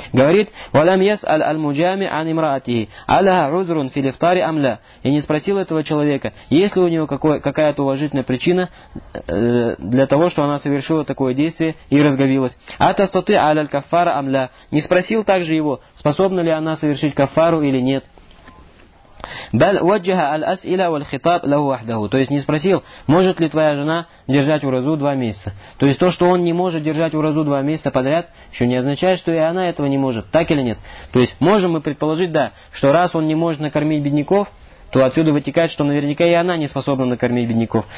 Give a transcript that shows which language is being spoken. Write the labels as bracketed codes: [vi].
[ru] Говорит, [ar] «Валям яс аль-муджами ан имраатихи, аля узрун филифтари амля». [ru] И не спросил этого человека, есть ли у него какая-то уважительная причина для того, что она совершила такое действие и разговилась. [ar] «Атастаты аль-каффара амля». [ru] Не спросил также его, способна ли она совершить каффару или нет. [ar] بل وجه الأسئلة والخطاب له وحده. [ru] То есть не спросил, может ли твоя жена держать уразу два месяца. То есть то, что он не может держать уразу два месяца подряд, еще не означает, что и она этого не может. Так или нет? То есть можем мы предположить, да, что раз он не может накормить бедняков, то отсюда вытекает, что наверняка и она не способна накормить бедняков.